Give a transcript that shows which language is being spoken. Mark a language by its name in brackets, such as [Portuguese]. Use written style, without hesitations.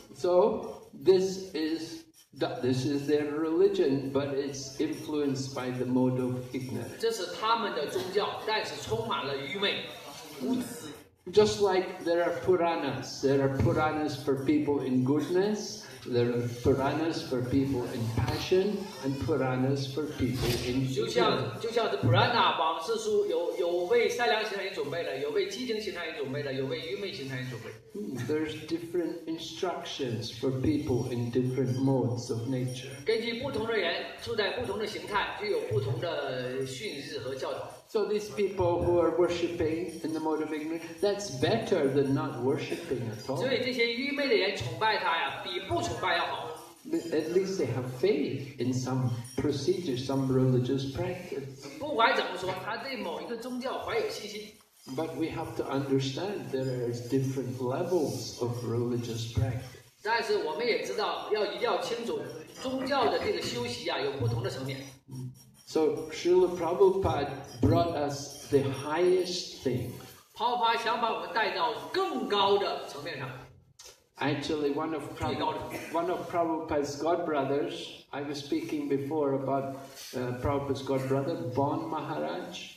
[English] So, this is their religion, but it's influenced by the mode of ignorance. [Chinese] 这是他们的宗教，但是充满了愚昧、无知。 [English] Just like there are Puranas for people in goodness, there are Puranas for people in passion, and Puranas for people in fear. [Chinese] 就像这 Purana 往事书有为善良心态准备的，有为激情心态准备的，有为愚昧心态准备。 [English] There's different instructions for people in different modes of nature. [Chinese] 根据不同的人处在不同的形态，就有不同的训示和教导。 [English] So these people who are worshipping in the mode of ignorance, that's better than not worshipping at all. [Chinese] 所以这些愚昧的人崇拜他呀，比不崇拜要好。 [English] At least they have faith in some procedure, some religious practice. [Chinese] 不管怎么说，他对某一个宗教怀有信心。 [English] But we have to understand there are different levels of religious practice. [Chinese] 但是我们也知道，要清楚宗教的这个修习啊，有不同的层面。 [English] So Srila Prabhupada brought us the highest thing. [Chinese] Prabhupada 想把我们带到更高的层面上。 [English] Actually, one of Prabhupada's godbrothers, I was speaking before about Prabhupada's godbrother, Bon Maharaj.